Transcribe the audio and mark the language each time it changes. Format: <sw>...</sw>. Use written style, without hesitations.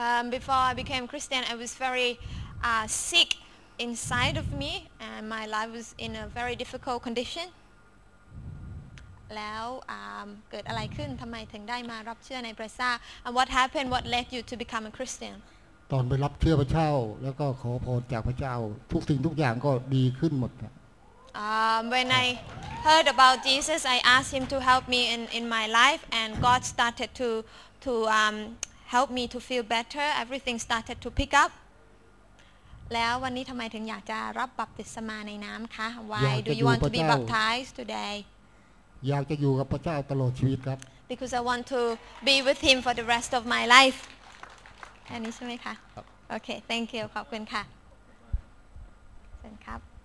<en>Before I became Christian I was very sick inside of me and my life was in a very difficult condition</en> <th>แล้วเกิดอะไรขึ้นทำไมถึงได้มารับเชื่อในพระเจ้า</th> <en>and what happened what led you to become a Christian</en> <th>ตอนไปรับเชื่อพระเจ้าแล้วก็ขอพรจากพระเจ้าทุกสิ่งทุกอย่างก็ดีขึ้นหมดครับ</th> <en>When I heard about Jesus I asked him to help me in my life and God started to help me to feel better everything started to pick up</en> <th>แล้ววันนี้ทำไมถึงอยากจะรับบัพติศมาในน้ำคะ</th> <en>Why do you want to be baptized today</en> <th>อยากจะอยู่กับพระเจ้าตลอดชีวิตครับ</th> <en>Because I want to be with him for the rest of my life</en> <th>อันนี้ใช่ไหมคะโอเค</th> <en>thank you</en> <th>ขอบคุณค่ะเชิญครับ</th>